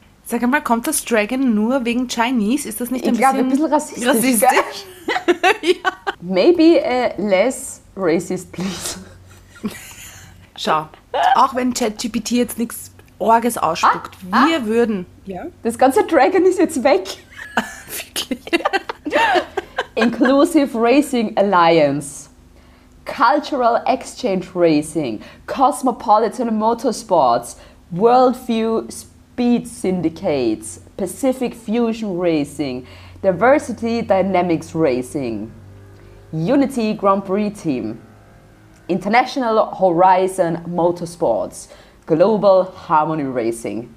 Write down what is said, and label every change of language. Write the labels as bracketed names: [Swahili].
[German] Sag mal, kommt das Dragon nur wegen Chinese? Ist das nicht ein bisschen rassistisch? Ich glaube, ein bisschen rassistisch. Rassistisch? Gell? Ja. [English] Maybe less racist, please. [German] Schau, auch wenn ChatGPT jetzt nichts Orges ausspuckt, würden. Ja. Das ganze Dragon ist jetzt weg. Wirklich? [English] Inclusive Racing Alliance. Cultural Exchange Racing, Cosmopolitan Motorsports, Worldview Speed Syndicates, Pacific Fusion Racing, Diversity Dynamics Racing, Unity Grand Prix Team, International Horizon Motorsports, Global Harmony Racing.